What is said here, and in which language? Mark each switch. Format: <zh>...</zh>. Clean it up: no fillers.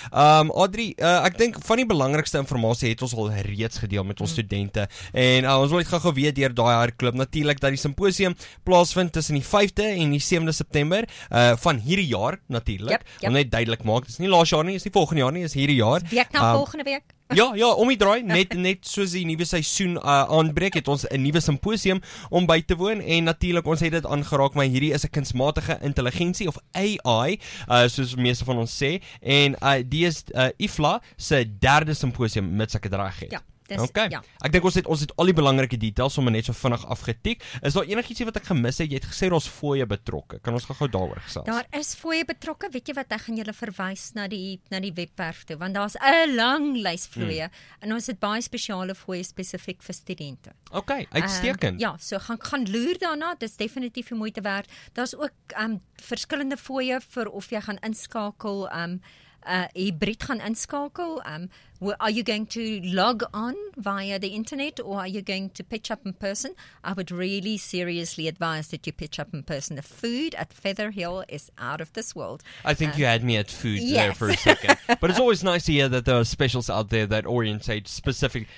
<af>Adrie, ek dink van die belangrikste informatie het ons al reeds gedeel met ons studente. En ons wil net gou weet deur daai hardklop natuurlik dat die simposium plaasvind tussen die 5de en die 7de September van hierdie jaar natuurlik. Yep, yep. Om net duidelik maak, dis nie laas jaar nie, is nie volgende jaar nie, is hierdie jaar. Volgende week. Ja, ja, om die draai, net soos die nuwe seisoen aanbreek, het ons 'n nuwe simposium om by te woon en natuurlik ons het dit aangeraak, maar hierdie is 'n kunsmatige intelligensie of AI, soos meeste van ons sê, en die is IFLA se derde simposium, mits ek het reg het. Ja. Okay. Ja. Ek dink ons het al die belangrike details sommer net so vinnig afgetik. Is daar enigietsie wat ek gemis het? Jy het gesê daar's fooie betrokke. Kan ons gou daaroor gesels? Daar is fooie betrokke. Weet jy wat? Ek gaan julle verwys na die webwerf toe, want daar's 'n lang lys fooie en ons het baie spesiale fooie spesifiek vir studente. Okay, uitstekend. Ja, so gaan loer daarna. Dis definitief die moeite werd. Daar's ook verskillende fooie vir of jy gaan inskakel hybrid gaan inskakel?</af> <en>Are you going to log on via the internet or are you going to pitch up in person? I would really seriously advise that you pitch up in person. The food at Feather Hill is out of this world. I think you had me at food there for a second. But it's always nice to hear that there are specials out there that orientate specifically.</en>